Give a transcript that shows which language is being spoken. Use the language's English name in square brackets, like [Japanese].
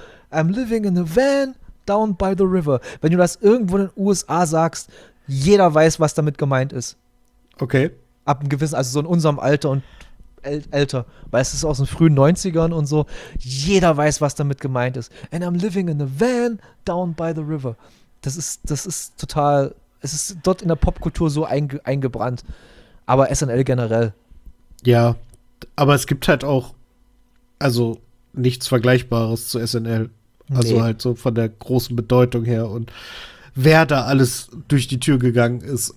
[English] I'm living in a van down by the river. [German] Wenn du das irgendwo in den USA sagst, jeder weiß, was damit gemeint ist. Okay. Ab einem gewissen, also so in unserem Alter und älter, weil es ist aus den frühen 90ern und so, jeder weiß, was damit gemeint ist. [English] And I'm living in a van down by the river. [German] Es ist dort in der Popkultur so eingebrannt. Aber SNL generell. Ja, aber es gibt halt auch, also nichts Vergleichbares zu SNL. Also halt so von der großen Bedeutung her und wer da alles durch die Tür gegangen ist.